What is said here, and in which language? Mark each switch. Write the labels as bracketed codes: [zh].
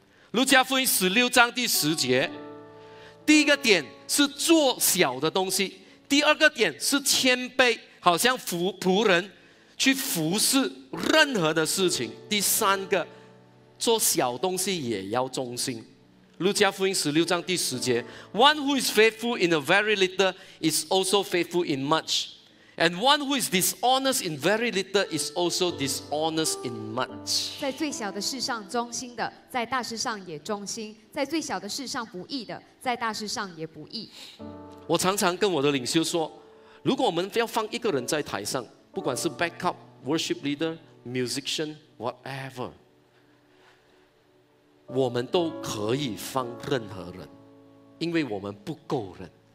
[zh] 路加福音16章第10节，第一个点是做小的东西，第二个点是谦卑，好像仆人去服侍任何的事情，第三个做小东西也要忠心。路加福音16章第10节， [en] One who is faithful in a very little is also faithful in much, and one who is dishonest in very little is also dishonest in much. [zh] 在最小的事上忠心的，在大事上也忠心，在最小的事上不义的，在大事上也不义。我常常跟我的领袖说，如果我们要放一个人在台上，不管是 [en] backup worship leader musician whatever， [zh] 我们都可以放任何人，因为我们不够人。